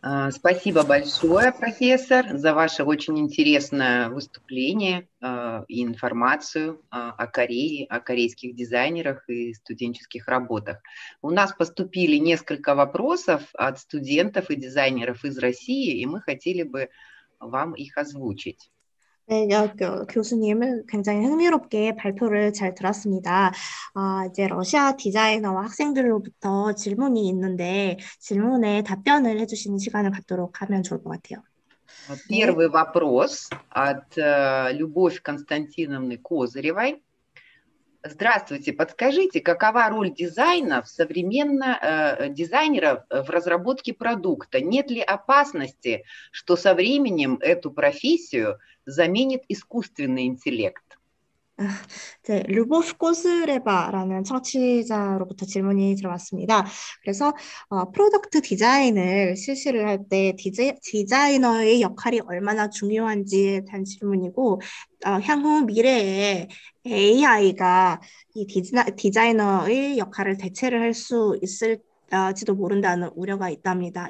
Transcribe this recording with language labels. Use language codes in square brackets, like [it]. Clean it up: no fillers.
[ru] Спасибо большое, профессор, за ваше очень интересное выступление и информацию о Корее, о корейских дизайнерах и студенческих работах. У нас поступили несколько вопросов от студентов и дизайнеров из России, и мы хотели бы вам их озвучить. [ko] 네, 교수님 굉장히 흥미롭게 발표를 잘 들었습니다. 이제 러시아 디자이너와 학생들로부터 질문이 있는데 질문에 답변을 해주시는 시간을 갖도록 하면 좋을 것 같아요. 네. [ru] Первый вопрос от Любовь Константиновны Козыревой. Здравствуйте, подскажите, какова роль дизайна в дизайнера в разработке продукта? Нет ли опасности, что со временем эту профессию заменит искусственный интеллект? [ko] 네, 루보프 꼬즈레바라는 청취자로부터 질문이 들어왔습니다. 그래서 프로덕트 디자인을 실시를 할때 디자이너의 역할이 얼마나 중요한지에 대한 질문이고, 향후 미래에 AI가 이 디자이너의 역할을 대체를 할수 있을지도 모른다는 우려가 있답니다.